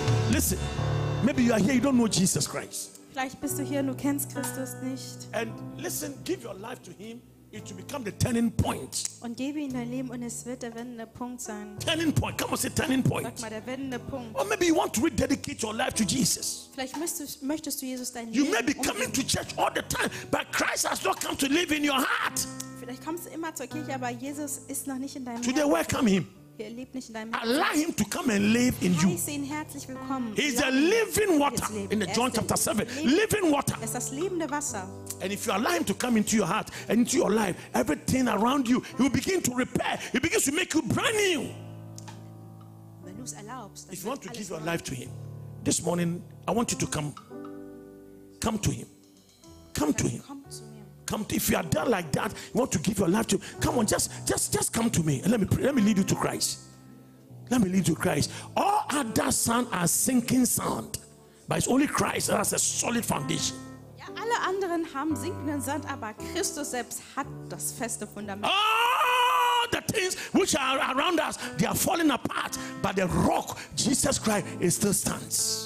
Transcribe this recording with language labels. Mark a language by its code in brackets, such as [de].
[en] Listen, maybe you are here, you don't know Jesus Christ. [de] Vielleicht bist du hier und du kennst Christus nicht. [en] And listen, give your life to him. It will become the turning point. [de] Und gebe ihm dein Leben und es wird der wendende Punkt sein. [en] Turning point. Come on, say turning point. [de] Sag mal, der wendende Punkt. [en] Or maybe you want to rededicate your life to Jesus. [de] Vielleicht möchtest du Jesus dein Leben. [en] You may be coming to church all the time, but Christ has not come to live in your heart. [de] Vielleicht kommst du immer zur Kirche, aber Jesus ist noch nicht in deinem [en] Herzen. Today, welcome him. [de] Er lebt nicht in deinem Herzen. [en] Allow him to come and live in you. [de] Heiße ihn herzlich willkommen. [en] He is a living water in the John chapter 7. Living water. [de] Es ist das lebende Wasser. [en] And if you allow him to come into your heart and into your life, everything around you, he will begin to repair. He begins to make you brand new. [de] Wenn du es erlaubst, dann [en] if you want to give your life to him, this morning, I want you to come. Come to him. Come to him. Come to, if you are there like that, you want to give your life to him, come on, just come to me. And let me lead you to Christ. Let me lead you to Christ. All other sand are sinking sand, but it's only Christ that has a solid foundation. [de] Alle anderen haben sinkenden Sand, aber Christus selbst hat das feste Fundament. [en] All the things which are around us, they are falling apart, but the rock, Jesus Christ, is still stands.